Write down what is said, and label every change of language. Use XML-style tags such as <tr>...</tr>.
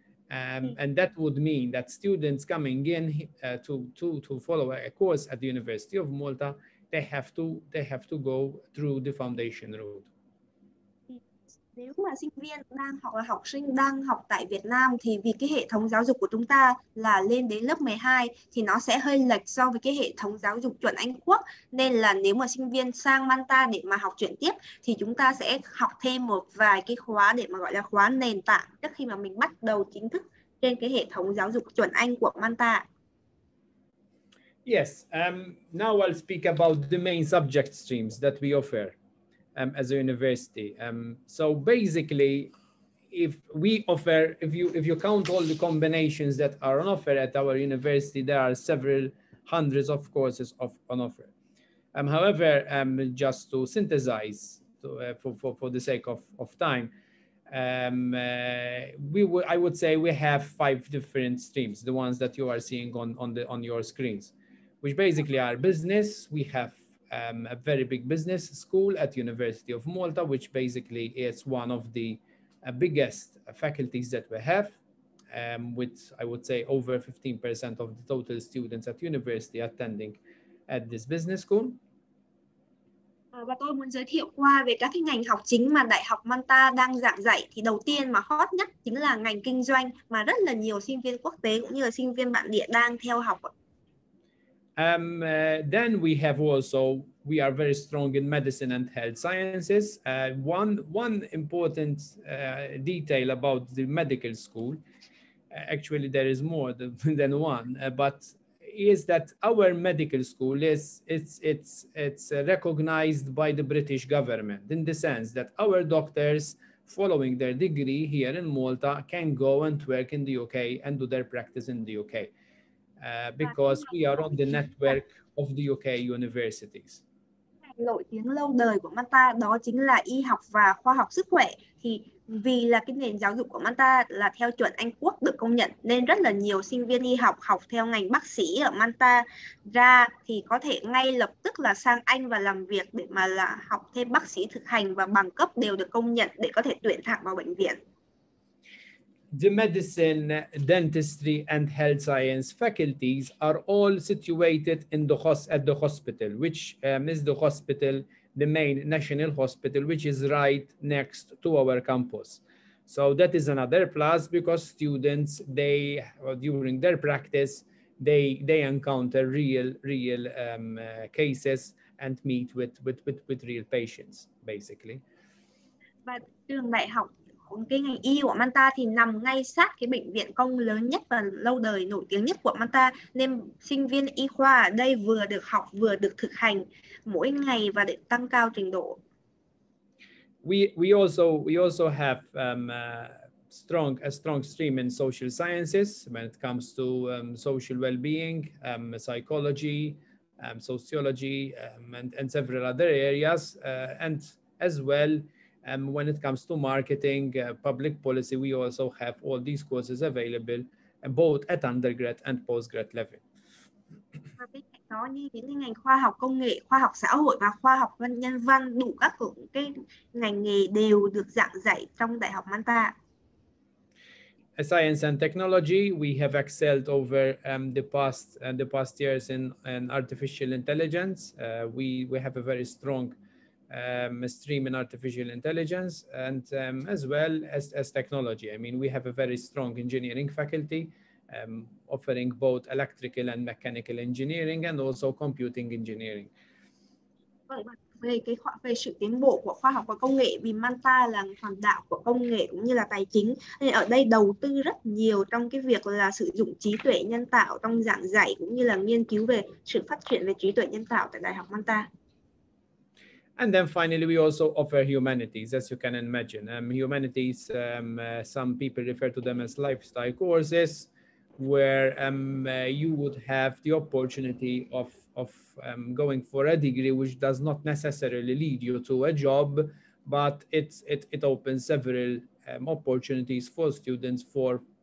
<en>And that would mean that students coming in to follow a course at the University of Malta, they have to go through the foundation route.</en> <vi>Nếu mà sinh viên đang hoặc là học sinh đang học tại Việt Nam thì vì cái hệ thống giáo dục của chúng ta là lên đến lớp 12 thì nó sẽ hơi lệch so với cái hệ thống giáo dục chuẩn Anh Quốc. Nên là nếu mà sinh viên sang Malta để mà học chuyển tiếp thì chúng ta sẽ học thêm một vài cái khóa để mà gọi là khóa nền tảng trước khi mà mình bắt đầu chính thức trên cái hệ thống giáo dục chuẩn Anh của Malta.</vi> <en>Yes, now I'll speak about the main subject streams that we offer. As a university. So basically, if you count all the combinations that are on offer at our university, there are several hundreds of courses on offer. However, just to synthesize for the sake of time, I would say we have five different streams, the ones that you are seeing on your screens, which basically are business. We have a very big business school at University of Malta, which basically is one of the biggest faculties that we have, with, I would say, over 15% of the total students at university attending at this business school.</en> <vi>Và tôi muốn giới thiệu qua về các cái ngành học chính mà Đại học Malta đang giảng dạy. Thì đầu tiên mà hot nhất chính là ngành kinh doanh mà rất là nhiều sinh viên quốc tế cũng như là sinh viên bản địa đang theo học.</vi> <en>Then we have also, we are very strong in medicine and health sciences. One important detail about the medical school, actually there is more than one, but is that our medical school is recognized by the British government in the sense that our doctors following their degree here in Malta can go and work in the UK and do their practice in the UK. Because we are on the network of the UK universities.</en> <vi>Nổi tiếng lâu đời của Malta đó chính là y học và khoa học sức khỏe. Thì vì là cái nền giáo dục của Malta là theo chuẩn Anh Quốc được công nhận nên rất là nhiều sinh viên y học học theo ngành bác sĩ ở Malta ra thì có thể ngay lập tức là sang Anh và làm việc để mà là học thêm bác sĩ thực hành và bằng cấp đều được công nhận để có thể tuyển thẳng vào bệnh viện.</vi> <en>The medicine, dentistry, and health science faculties are all situated in the hospital, which is the hospital, the main national hospital, which is right next to our campus. So that is another plus because students, they during their practice, they encounter real cases and meet with real patients, basically. But during my health.</en> <vi>Cái ngành y của Malta thì nằm ngay sát cái bệnh viện công lớn nhất và lâu đời nổi tiếng nhất của Malta nên sinh viên y khoa ở đây vừa được học vừa được thực hành mỗi ngày và để tăng cao trình độ.</vi> <en>We also have a strong stream in social sciences when it comes to social well-being, psychology, sociology, and several other areas, and as well. When it comes to marketing, public policy, we also have all these courses available, both at undergrad and postgrad level.</en> <vi>Bên cạnh đó, như những ngành khoa học công nghệ, khoa học xã hội và khoa học nhân văn, đủ các cái ngành nghề đều được giảng dạy trong Đại học Malta.</vi> <en>Science and technology, we have excelled over the past years in artificial intelligence. We have a very strong stream in artificial intelligence and as well as technology. I mean, we have a very strong engineering faculty offering both electrical and mechanical engineering and also computing engineering.</en> <vi>Về sự tiến bộ của khoa học và công nghệ vì Malta là hòn đảo của công nghệ cũng như là tài chính nên ở đây đầu tư rất nhiều trong cái việc là sử dụng trí tuệ nhân tạo trong giảng dạy cũng như là nghiên cứu về sự phát triển về trí tuệ nhân tạo tại Đại học Malta.</vi> <en>And then finally, we also offer humanities, as you can imagine. Humanities, some people refer to them as lifestyle courses, where you would have the opportunity of going for a degree, which does not necessarily lead you to a job, but it opens several opportunities for students for</en>